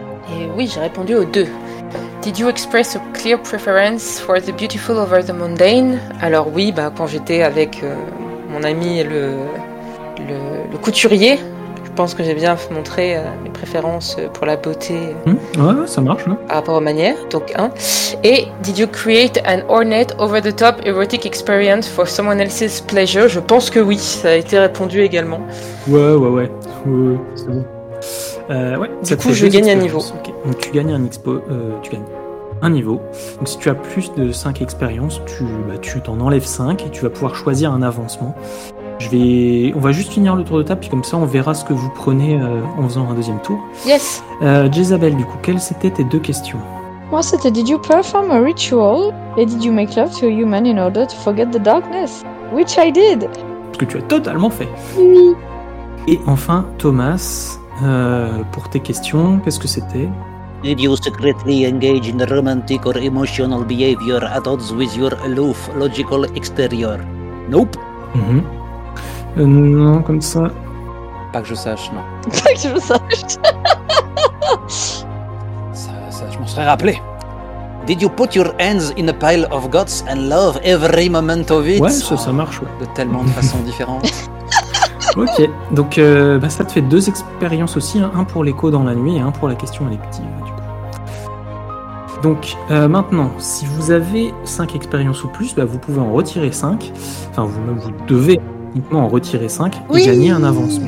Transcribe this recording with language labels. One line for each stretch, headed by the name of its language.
French: Et oui, j'ai répondu aux deux.
English: Did you express a clear preference for the beautiful over the mundane?
French: Alors oui, bah, quand j'étais avec mon ami le couturier, je pense que j'ai bien montré mes préférences pour la beauté. Ouais, ça marche. Non, par rapport aux manières, donc un.
English: Et did you create an ornate over-the-top erotic experience for someone else's pleasure?
French: Je pense que oui, ça a été répondu également. Ouais, c'est bon. Du coup, je gagne un niveau.
English: Okay.
French: Donc, tu gagnes un expo, tu gagnes un niveau. Donc, si tu as plus de 5 expériences, tu t'en enlèves 5 et tu vas pouvoir choisir un avancement. On va juste finir le tour de table, puis comme ça, on verra ce que vous prenez en faisant un deuxième tour.
English: Yes.
French: Jezabel, du coup, quelles étaient tes deux questions? Moi, c'était
English: Did you perform a ritual and did you make love to a human in order to forget the darkness? Which I did.
French: Ce que tu as totalement fait. Oui. Et enfin, Thomas. Pour tes questions, qu'est-ce que c'était?
English: Did you secretly engage in romantic or emotional behavior at odds with your aloof logical exterior? Nope.
French: Mm-hmm. Non, comme ça. Pas que je sache, non. Pas que je sache. ça, je m'en serais rappelé.
English: Did you put your hands in a pile of guts and love every moment of it?
French: Ouais, ça marche. Ouais. De tellement de façons différentes. Ok, donc ça te fait deux expériences aussi, hein, un pour l'écho dans la nuit et un pour la question élective, du coup. Donc maintenant, si vous avez 5 expériences ou plus, vous pouvez en retirer 5, enfin vous-même vous devez uniquement en retirer 5 et gagner un avancement.